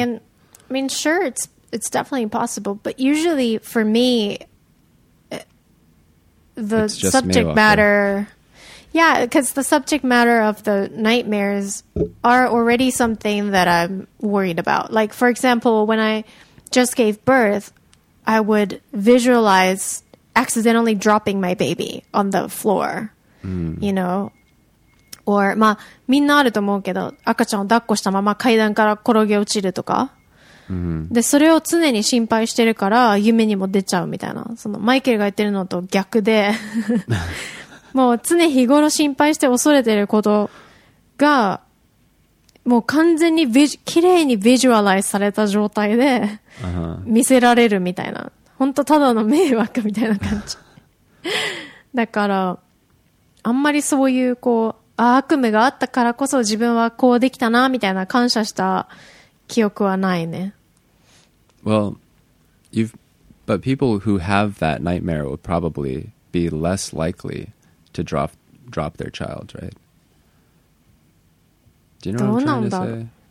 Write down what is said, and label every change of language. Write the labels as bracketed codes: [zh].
[en] I mean sure, it's definitely possible, but usually for me the subject matter, yeah, because the subject matter of the nightmares are already something that I'm worried about. Like, for example, when I just gave birth, I would visualize accidentally dropping my baby on the floor, you know? [ja] Or, まあ、みんなあると思うけど、赤ちゃんを抱っこしたまま階段から転げ落ちるとか。で、それを常に心配してるから、夢にも出ちゃうみたいな。その、マイケルが言ってるのと逆で、もう常日頃心配して恐れてることが、もう完全に綺麗にビジュアライズされた状態で見せられるみたいな、本当ただの迷惑みたいな感じだから、あんまりそういうこう、あ、悪夢があったからこそ自分はこうできたなみたいな感謝した記憶はないね。 [en] Well, but people who have that nightmare would probably be less likely to drop their child, right? Do you know what I'm trying to say?